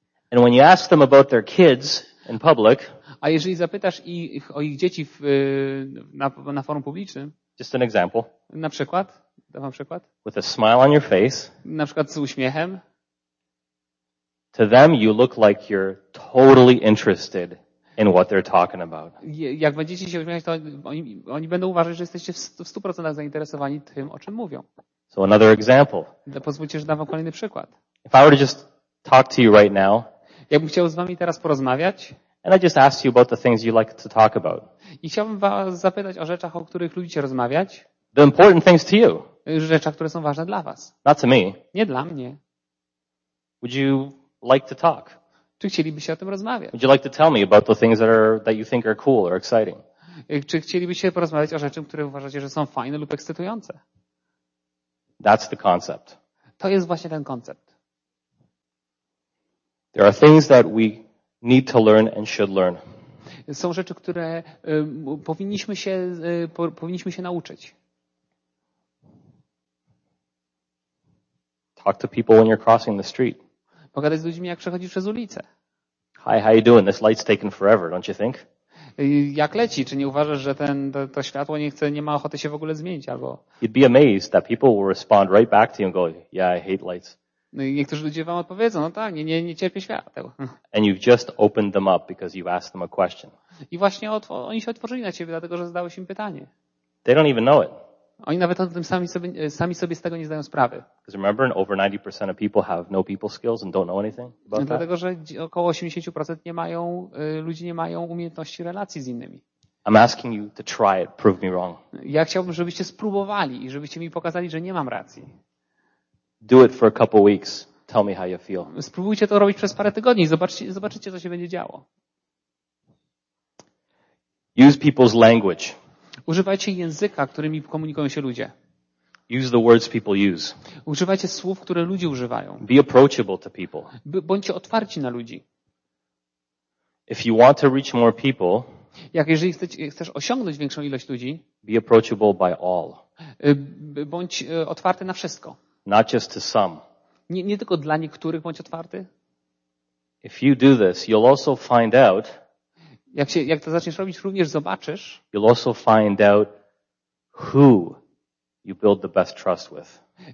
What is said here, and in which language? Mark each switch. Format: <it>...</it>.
<en>And when you ask them about their kids in public,</en> <pl>a jeżeli zapytasz ich o ich dzieci na forum publicznym,</pl> <en>just an example,</en> <pl>na przykład, dawam przykład,</pl> <en>with a smile on your face,</en> <pl>na przykład z uśmiechem,</pl> <en>to them you look like you're totally interested in what they're talking about.</en> <pl>Jak będziecie się uśmiechać, to oni będą uważać, że jesteście w 100% zainteresowani tym, o czym mówią.</pl> <en>So another example.</en> <pl>Pozwólcie, że dam wam kolejny przykład.</pl> <en>If I were to just talk to you right now,</en> <pl>ja bym chciał z wami teraz porozmawiać.</pl> <en>And I just asked you about the things you like to talk about.</en> <pl>I chciałbym was zapytać o rzeczach, o których lubicie rozmawiać.</pl> <en>The important things to you.</en> <pl>Rzeczach, które są ważne dla was.</pl> <en>Not to me.</en> <pl>Nie dla mnie.</pl> <en>Would you like to talk?</en> <pl>Czy chcielibyście o tym rozmawiać?</pl> <en>Would you like to tell me about the things that you think are cool or exciting?</en> <pl>Czy chcielibyście porozmawiać o rzeczach, które uważacie, że są fajne lub ekscytujące?</pl> <en>That's the concept.</en> <pl>To jest właśnie ten koncept.</pl> <en>There are things that we need to learn and should learn.</en> <pl>Są rzeczy, które powinniśmy się nauczyć.</pl> <en>Talk to people when you're crossing the street.</en> <pl>pogadać z ludźmi, jak przechodzi przez ulicę.</pl> <en>Hi, how you doing? This light's taking forever, don't you think?</en> <pl>Jak leci? Czy nie uważasz, że to światło nie chce, nie ma ochoty się w ogóle zmienić? Albo...</pl> <en>You'd be amazed that people will respond right back to you and go, yeah, I hate lights.</en> <pl>No i niektórzy ludzie wam odpowiedzą, no tak, nie cierpię świateł.</pl> <en>And you've just opened them up because you've asked them a question.</en> <pl>I właśnie oni się otworzyli na ciebie, dlatego że zadałeś im pytanie.</pl> <en>They don't even know it.</en> <pl>Oni nawet o tym sami sobie z tego nie zdają sprawy.</pl> <en>Because remember, over 90% of people have no people skills and don't know anything about that.</en> <pl>Dlatego że około 80% nie mają ludzi nie mają umiejętności relacji z innymi.</pl> <en>I'm asking you to try it, prove me wrong.</en> <pl>Ja chciałbym, żebyście spróbowali i żebyście mi pokazali, że nie mam racji.</pl> <en>Do it for a couple weeks. Tell me how you feel.</en> <pl>Spróbujcie to robić przez parę tygodni. Zobaczycie, co się będzie działo.</pl> <en>Use people's language.</en> <pl>Używajcie języka, którymi komunikują się ludzie.</pl> <en>Use the words people use.</en> <pl>Używajcie słów, które ludzie używają.</pl> <en>Be approachable to people.</en> <pl>Bądźcie otwarci na ludzi.</pl> <en>If you want to reach more people,</en> <pl>jak jeżeli chcesz osiągnąć większą ilość ludzi,</pl> <en>be approachable by all.</en> <pl>Bądź otwarty na wszystko.</pl> <en>Not just to some.</en> <pl>Nie tylko dla niektórych bądź otwarty.</pl> <en>If you do this, you'll also find out.</en> <pl>Jak to zaczniesz robić, również zobaczysz.</pl> <en>You'll also find out who you build the best trust with.</en>